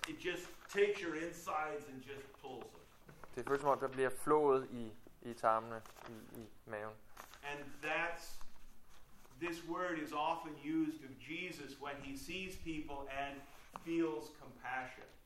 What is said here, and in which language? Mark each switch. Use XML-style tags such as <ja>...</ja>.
<en>It just takes your insides and just pulls them.</en> <da>Det føles som om, der bliver flået i tarmene, i maven.</da> <en>And that's, this word is often used of Jesus when he sees people and feels compassion.</en>